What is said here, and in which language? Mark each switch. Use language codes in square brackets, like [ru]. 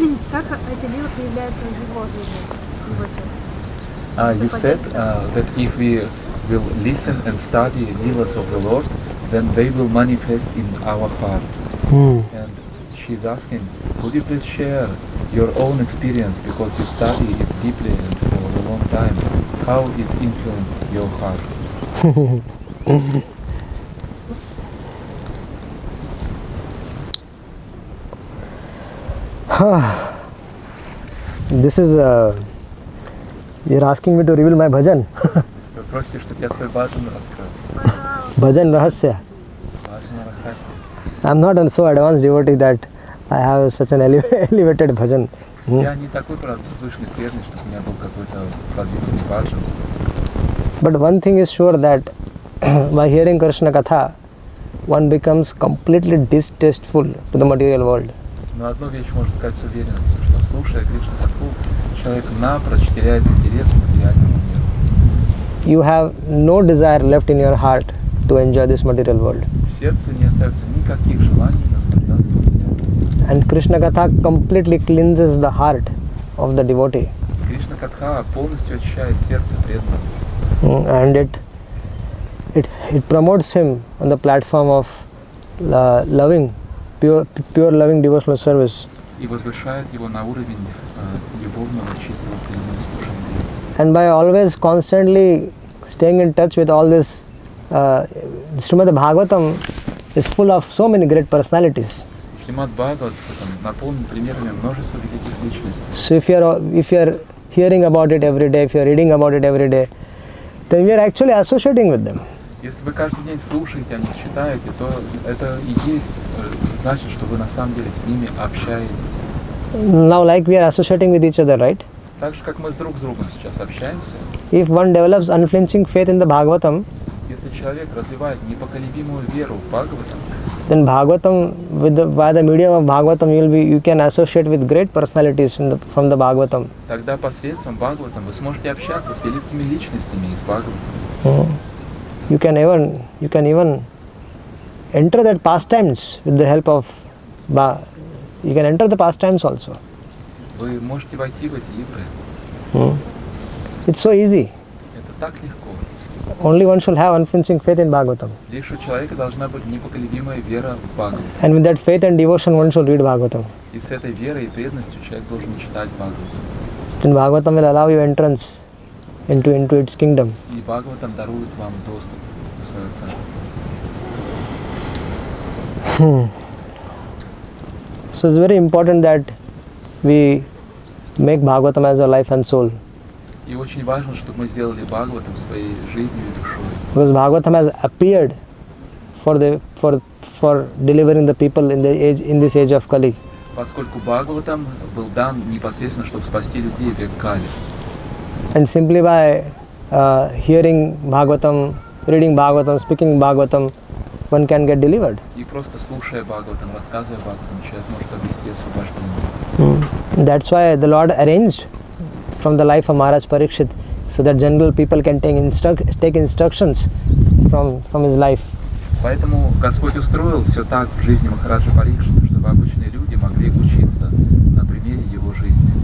[ru] Как эти лилы появляются в его жизни? [en] You said that if we will listen and study lilas of the Lord, then they will manifest in our heart. And she's asking, would you please share your own experience, because you study it deeply and for a long time, how it influenced your heart? This is a... You're asking me to reveal my bhajan. Bhajan rahasya. I'm not so advanced devotee that I have such an elevated bhajan. But one thing is sure, that by hearing Krishna katha, one becomes completely distasteful to the material world. [ru] Но одну вещь можно сказать с уверенностью, что слушая Кришну Катху, человек напрочь теряет интерес к материальному миру. [en] You have no desire left in your heart to enjoy this material world. [ru] В сердце не остается никаких желаний наслаждаться материальным. [en] And Krishna Katha completely cleanses the heart of the devotee. [ru] Кришна Катха полностью очищает сердце преданного. [en] And it promotes him on the platform of loving. Pure loving devotional service. [ru] И возвышает его на уровень любовного чистого преданного служения. [en] And by always constantly staying in touch with all this, Srimad Bhagavatam is full of so many great personalities. [ru] Srimad Bhagavatam наполнен примерами множества великих личностей. [en] So if you are hearing about it every day, if you are reading about it every day, then we are actually associating with them. [ru] Если вы каждый день слушаете, а не читаете, то это и есть, значит, что вы на самом деле с ними общаетесь. [en] Now, like we are associating with each other, right? [ru] Так же, как мы друг с другом сейчас общаемся. [en] If one develops unflinching faith in the Bhagavatam, [ru] если человек развивает непоколебимую веру в Бхагаватам, [en] then Bhagavatam, by the medium of Bhagavatam, you can associate with great personalities from the Bhagavatam. [ru] Тогда посредством Бхагаватам вы сможете общаться с великими личностями из Бхагаватам. [en] You can even enter that pastimes with the help of you can enter the pastimes also. [ru] Вы можете войти в эти игры. [en] It's so easy. [ru] Это так легко. [en] Only one should have unflinching faith in Bhagavatam. [ru] Лишь у человека должна быть непоколебимая вера в Бхагаватам. [en] And with that faith and devotion, one should read Bhagavatam. [ru] И с этой верой и преданностью человек должен читать Бхагаватам. [en] Then Bhagavatam will allow you entrance into its kingdom. [ru] И Бхагаватам дарует вам доступ в свое царство. [en] So it's very important that we make Bhagavatam as our life and soul. [ru] И очень важно, чтобы мы сделали Бхагаватам своей жизнью и душой. [en] Because Bhagavatam has appeared for delivering the people in this age of Kali. [ru] Поскольку Бхагаватам был дан непосредственно, чтобы спасти людей в век Кали. [en] And simply by hearing Bhagavatam, reading Bhagavatam, speaking Bhagavatam, one can get delivered. [ru] И просто слушая Бхагаватам, рассказывая Бхагаватам, человек может обрести освобождение. [en] That's why the Lord arranged from the life of Maharaj Parikshit, so that general people can take instructions from his life. [ru] Поэтому Господь устроил все так в жизни Махараджа Парикшита, чтобы обычные люди могли учиться на примере его жизни.